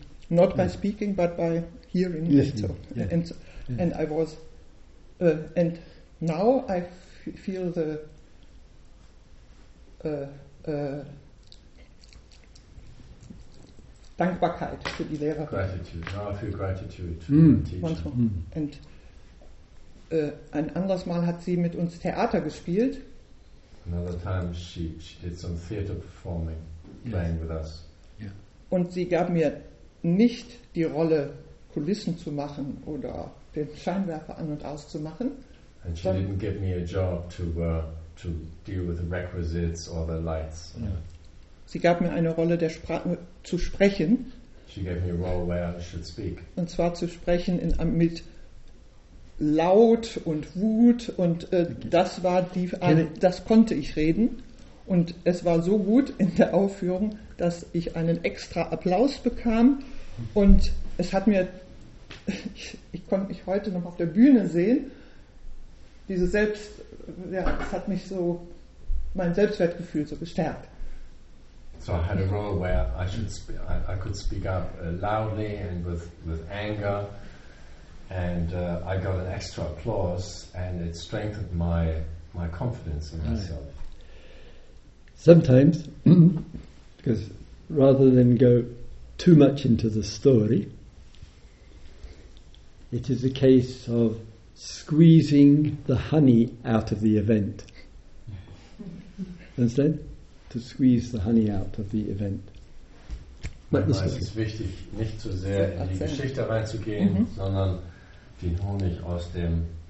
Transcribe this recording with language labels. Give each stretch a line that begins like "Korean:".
English: Not by speaking, but by hearing. And now I feel the
German: Dankbarkeit für die Lehrer.
English: Gratitude. Now I feel gratitude for the teacher. Once more. And
German: ein anderes Mal hat sie mit uns Theater gespielt.
English: Another time she did some theater performing, playing with us. Yeah.
German: Und sie gab mir nicht die Rolle, Kulissen zu machen oder den Scheinwerfer an- und auszumachen.
English: And she didn't give me a job to deal with the requisites or the lights. Yeah.
German: Sie gab mir eine Rolle, der zu sprechen.
English: She gave me a role where I should speak.
German: Und zwar zu sprechen mit Laut und Wut und das war die eine, das konnte ich reden. Und es war so gut in der Aufführung, dass ich einen extra Applaus bekam. Und es hat mir, ich konnte mich heute noch auf der Bühne sehen, diese Selbst, ja, es hat mich so, mein Selbstwertgefühl so gestärkt.
English: So I had a role where I could speak up loudly and with anger. And I got an extra applause and it strengthened my confidence in myself. Sometimes, because rather than go too much into the story, it is a case of squeezing the honey out of the event. Understand? To squeeze the honey out of the event.
German: Es ist wichtig, nicht zu sehr in die Geschichte reinzugehen, sondern den Honig aus dem